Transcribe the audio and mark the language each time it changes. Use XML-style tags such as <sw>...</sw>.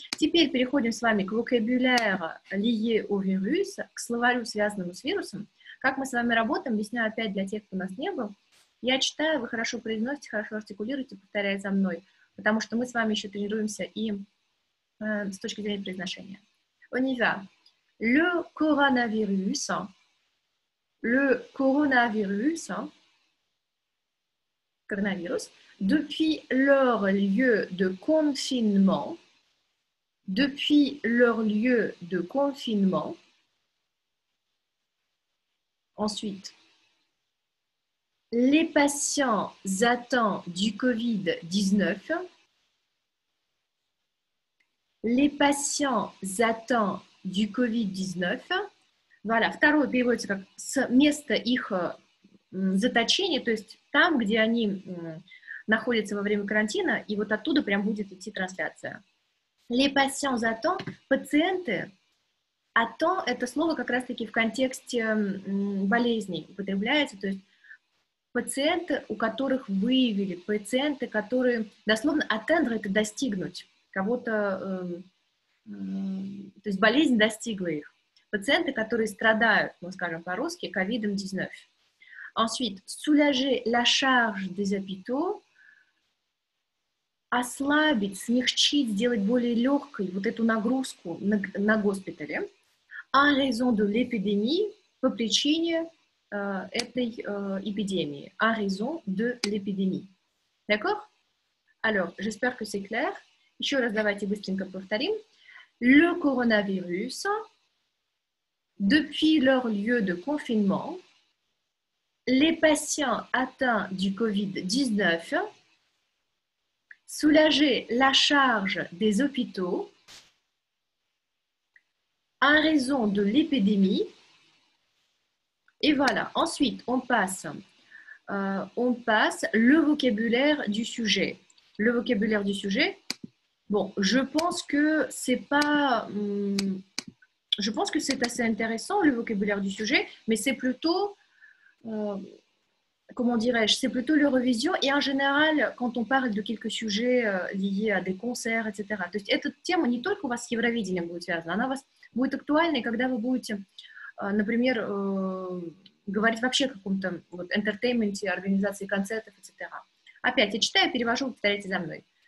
<ru>Теперь переходим с вами к</ru> <fr>vocabulaire lié au virus,</fr> <ru>к словарю, связанному с вирусом. Как мы с вами работаем, объясняю опять для тех, кто нас не был. Я читаю, вы хорошо произносите, хорошо артикулируете, повторяя за мной, потому что мы с вами еще тренируемся и с точки зрения произношения.</ru> <fr>On y va. Le coronavirus. Le coronavirus, coronavirus, depuis leur lieu de confinement, depuis leur lieu de confinement, ensuite, les patients atteints du COVID-19, les patients atteints du COVID-19, voilà.</fr> <ru>Второе переводится как «с места их заточения», то есть там, где они находятся во время карантина, и вот оттуда прям будет идти трансляция.</ru> <fr>«Les patients attend»,</fr> <ru>«пациенты», «attend» — это слово как раз-таки в контексте болезней употребляется, то есть пациенты, у которых выявили, пациенты, которые, дословно, «attendre» — это «достигнуть», кого-то, то есть болезнь достигла их. Пациенты, которые страдают, мы скажем по-русски, COVID-19.</ru> <fr>Ensuite, soulager la charge des hôpitaux,</fr> <ru>ослабить, смягчить, сделать более легкой вот эту нагрузку на госпитале.</ru> <fr>En raison de l'épidémie,</fr> <ru>по причине этой эпидемии.</ru> <fr>En raison de l'épidémie. D'accord? Alors, j'espère que c'est clair.</fr> <ru>Еще раз давайте быстренько повторим.</ru> <fr>Le coronavirus... Depuis leur lieu de confinement, les patients atteints du COVID-19, soulager la charge des hôpitaux, en raison de l'épidémie, et voilà. Ensuite, on passe le vocabulaire du sujet. Le vocabulaire du sujet, bon, je pense que c'est pas... Je pense que c'est assez intéressant, le vocabulaire du sujet, mais c'est plutôt, comment dirais-je, c'est plutôt l'Eurovision, et en général, quand on parle de quelques sujets liés à des concerts, etc.</fr> <ru>То есть, эта тема не только у вас с Евровидением будет связана, она у вас будет актуальна, когда вы будете, например, говорить вообще о каком-то вот, entertainment'е, организации концертов, etc. Опять, я читаю, перевожу, повторяйте за мной.</ru>